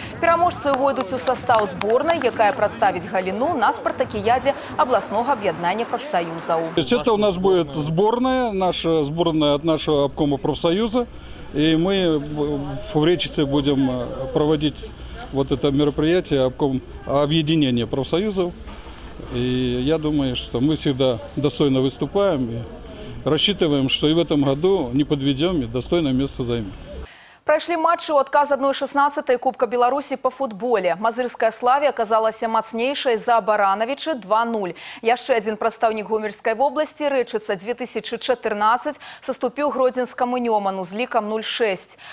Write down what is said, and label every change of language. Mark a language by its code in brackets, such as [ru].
[be] Пераможцы ўвойдуць у састаў зборнай, якая прадставіць галіну на спартакіядзе абласнога аб'яднання прафсаюзаў. Это у нас будет зборная, наша зборная ад нашага абкома прафсаюза, і мы ў рэчыцы будзем праводзіць вот это мерапрыяцце абком аб'яднання прафсаюзаў. [ru] І я думаю, што мы всегда достойна выступаем і рассчитываем, что и в этом году не подведем и достойное место займем. [be] Прайшлі матчы ў адказ 1-16 Кубка Беларусі па футболе. Мазырская Славія аказалася мацнейшай за Баранавічы 2-0. Яшчэ адзін прадстаўнік Гомельскай вобласці, Рэчыца 2014, саступіў Гродзенскаму Нёману з лікам 0-6.